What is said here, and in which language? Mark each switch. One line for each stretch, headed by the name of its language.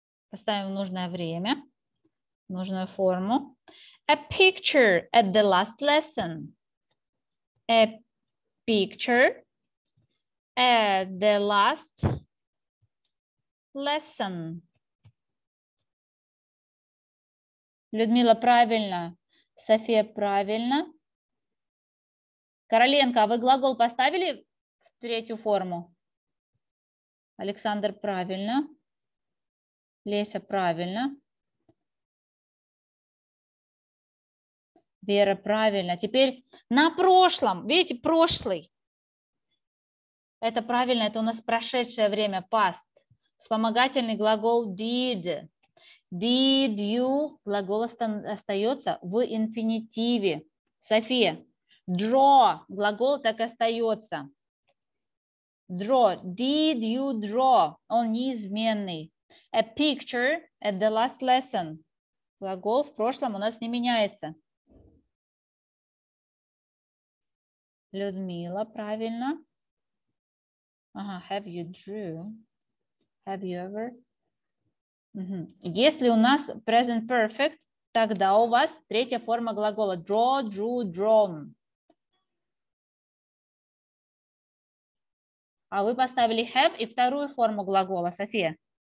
Russian: Поставим нужное время, нужную форму.
English: A picture at the last lesson. A picture at the last lesson.
Russian: Людмила, правильно. София, правильно. Короленко, а вы глагол поставили в третью форму? Александр, правильно. Леся, правильно. Вера, правильно. Теперь на прошлом. Видите, прошлый. Это правильно, это у нас прошедшее время, past. Вспомогательный глагол did.
English: Did you?
Russian: Глагол остается в инфинитиве. София, draw. Глагол так остается. Draw.
English: Did you draw?
Russian: Он неизменный.
English: A picture at the last lesson.
Russian: Глагол в прошлом у нас не меняется. Людмила, правильно.
English: Ага, have you drew? Have you ever? Угу.
Russian: Если у нас present perfect, тогда у вас третья форма глагола.
English: Draw, drew, drawn.
Russian: А вы поставили have и вторую форму глагола, София.